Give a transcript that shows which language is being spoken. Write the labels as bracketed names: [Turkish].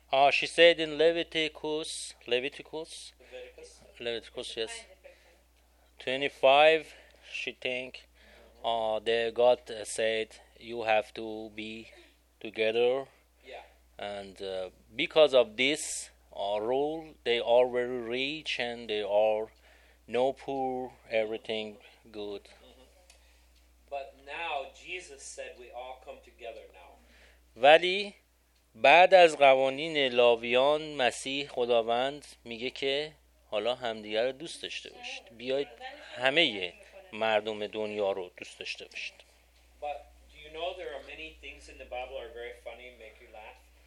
[English] She said in Leviticus 25, she think the God said you have to be together, yeah. And because of this rule. They are very rich and they are no poor, everything good. But now Jesus said we all come together now. [Persian] ولی بعد از قوانین لاویان مسیح خداوند میگه که حالا همدیگر رو دوست داشته باشید. بیایید همه مردم دنیا رو دوست داشته باشید. [English] But do you know there are many things in the Bible are very funny and make you laugh?